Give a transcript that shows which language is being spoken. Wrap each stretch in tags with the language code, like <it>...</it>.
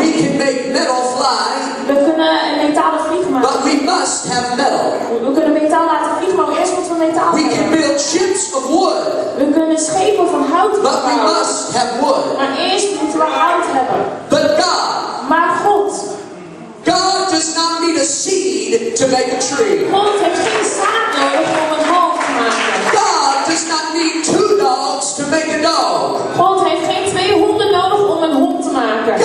<en>We can make metal fly.</en> <nl>We kunnen een metalen vlieg maken.</nl> <en>But we must have metal.</en> <nl>We kunnen metaal laten vliegen, maar eerst moeten we metaal we hebben.</nl> <en>We can build ships of wood.</en> <nl>We kunnen schepen van hout bouwen.</nl> <en>But we must have wood.</en> <nl>Maar eerst moeten we hout hebben.</nl> <en>But God.</en> <nl>Maar God.</nl> <en>God does not need a seed to make a tree.</en> <nl>God heeft geen zaad nodig om een hout te maken.</nl> <en>God does not need two dogs to make a dog.</en> <nl>God heeft geen twee honden nodig om een hond te maken.</nl>